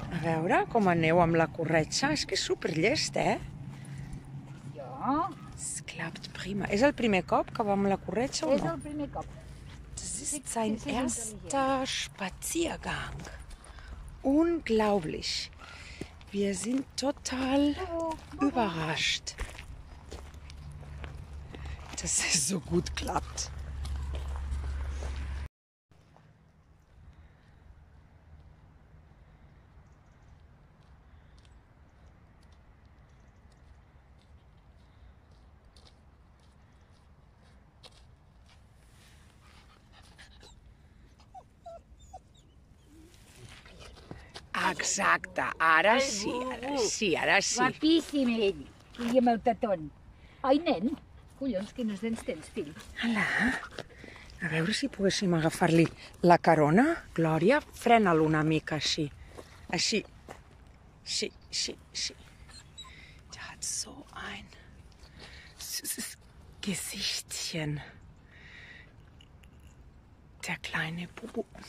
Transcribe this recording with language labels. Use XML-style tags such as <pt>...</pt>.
<ca>A veure com aneu amb la corretxa. És que és superllest, eh? Jo? Es clapt prima. És el primer cop que va amb la corretxa o no? És el primer cop.</ca> <de>Das ist sein erster Spaziergang. Unglaublich. Wir sind total überrascht, dass es so gut klappt.</de> <ca>Exacte, ara sí, ara sí, ara sí. Guapíssim ell, i amb el tatón. Ai, nen, collons, quines dents tens, fill. Hola, a veure si poguéssim agafar-li la carona. Glòria, frena-lo una mica així, així, sí, sí, sí.</ca> <de>Ja hat so ein süßes Gesichtchen, der kleine Bubu.</de>